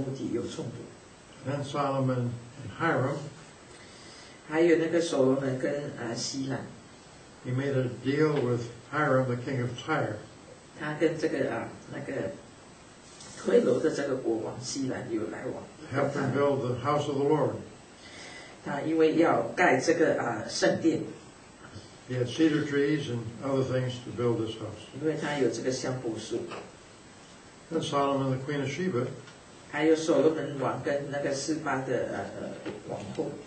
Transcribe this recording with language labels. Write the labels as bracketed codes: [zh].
[zh] 这个是跟上帝的旨意跟他的目的有冲突。 [en] Then Solomon and Hiram. [zh] 还有那个所罗门跟希兰。 [en] He made a deal with Hiram, the king of Tyre. [zh] 他跟这个推罗的这个国王希兰有来往。 [en] Help him build the house of the Lord. [zh] 他因为要盖这个圣殿。 [en] He had cedar trees and other things to build this house. [zh] 因为他有这个香柏树。 [en] And Solomon and the Queen of Sheba. [zh] 还有所罗门王跟那个示巴的王后。